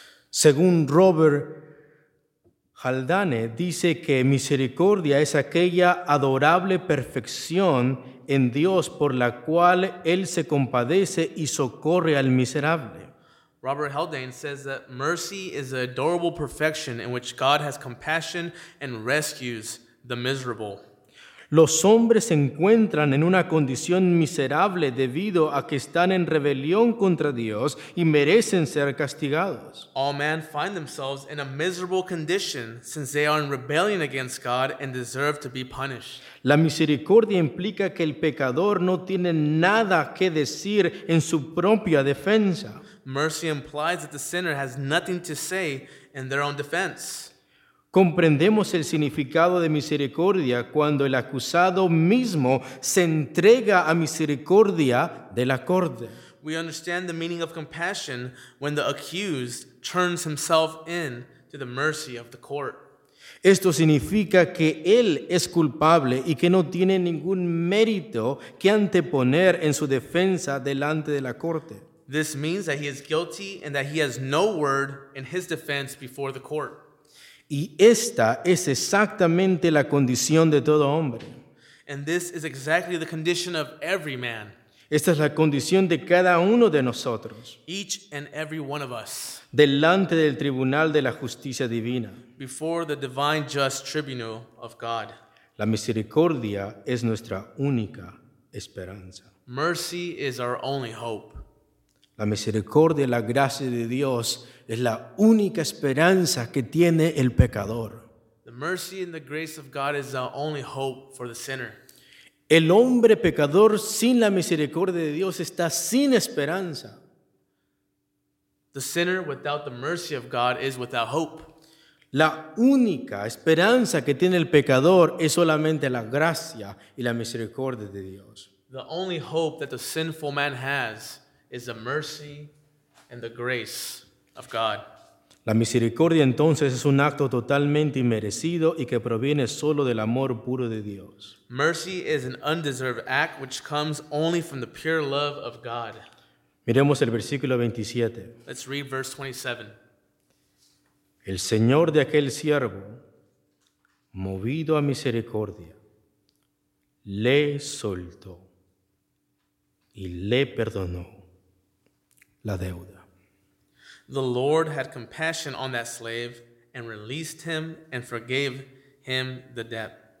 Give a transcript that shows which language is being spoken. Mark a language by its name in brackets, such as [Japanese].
[Spanish] Según Robert Haldane, dice que misericordia es aquella adorable perfección en Dios por la cual Él se compadece y socorre al miserable. [English] Robert Haldane says that mercy is an adorable perfection in which God has compassion and rescues the miserable. [Spanish] Los hombres se encuentran en una condición miserable debido a que están en rebelión contra Dios y merecen ser castigados. [English] All men find themselves in a miserable condition since they are in rebellion against God and deserve to be punished. [Spanish] La misericordia implica que el pecador no tiene nada que decir en su propia defensa. [English] Mercy implies that the sinner has nothing to say in their own defense. [Spanish] Comprendemos el significado de misericordia cuando el acusado mismo se entrega a misericordia de la corte. [English] We understand the meaning of compassion when the accused turns himself in to the mercy of the court. [Spanish] Esto significa que él es culpable y que no tiene ningún mérito que anteponer en su defensa delante de la corte. [English] This means that he is guilty and that he has no word in his defense before the court. [Spanish] Y esta es exactamente la condición de todo hombre. [English] And this is exactly the condition of every man. [Spanish] Esta es la condición de cada uno de nosotros. [English] Each and every one of us. [Spanish] Delante del tribunal de la justicia divina. [English] Before the divine just tribunal of God. [Spanish] La misericordia es nuestra única esperanza. [English] Mercy is our only hope. [Spanish] La misericordia y la gracia de Dios es la única esperanza que tiene el pecador. [English] The mercy and the grace of God is the only hope for the sinner. [Spanish] El hombre pecador sin la misericordia de Dios está sin esperanza. [English] The sinner without the mercy of God is without hope. [Spanish] La única esperanza que tiene el pecador es solamente la gracia y la misericordia de Dios. [English] The only hope that the sinful man has is the mercy and the grace of God. [Spanish] La misericordia entonces es un acto totalmente inmerecido y que proviene solo del amor puro de Dios. [English] Mercy is an undeserved act which comes only from the pure love of God. [Spanish] Miremos el versículo 27. [English] Let's read verse 27. [Spanish] El Señor de aquel siervo, movido a misericordia, le soltó y le perdonó la deuda. [English] The Lord had compassion on that slave and released him and forgave him the debt.